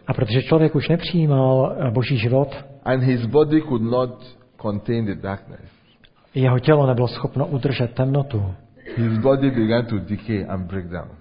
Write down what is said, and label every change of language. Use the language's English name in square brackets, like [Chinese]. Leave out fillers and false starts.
[Czech] A protože člověk už nepřijímal boží život. [English] And his body could not contain the darkness. [Czech] Jeho tělo nebylo schopno udržet temnotu. [English] His body began to decay and break down.